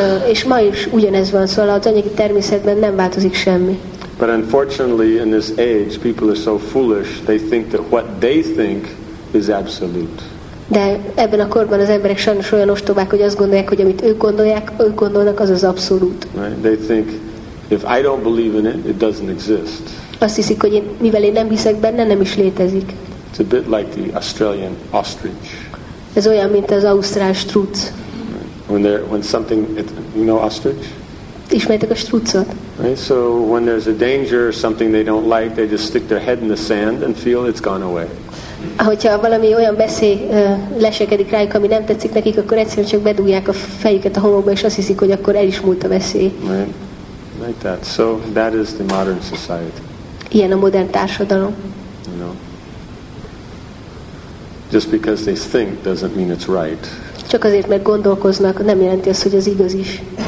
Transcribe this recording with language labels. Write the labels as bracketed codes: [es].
[hu] És ma is ugyanez van, szóval az anyagi természetben nem változik semmi. [en] But unfortunately, in this age, people are so foolish, they think that what they think is absolute. [hu] De ebben a korban az emberek sajnos olyan ostobák, hogy azt gondolják, hogy amit ők gondolnak, az az abszolút. [en] Right? They think, if I don't believe in it, it doesn't exist. [hu] Azt hiszik, hogy mivel én nem hiszek benne, nem is létezik. [en] It's a bit like the Australian ostrich. [hu] Ez olyan, mint az ausztrál struc. [en] You know ostrich? [hu] Ismertek a struccot? [en] Right, so when there's a danger or something they don't like, they just stick their head in the sand and feel it's gone away. [hu] Ahogyha valami olyan veszély lesekedik rájuk, ami nem tetszik nekik, akkor egyszerűen csak bedugják a fejüket a homokba, és azt hiszik, hogy akkor el is múlt a veszély. [en] Right. Like that. So that is the modern society. [hu] Ilyen a modern társadalom. [en] You know. Just because they think doesn't mean it's right. [hu] Csak azért, mert gondolkoznak, nem jelenti azt, hogy az igaz is.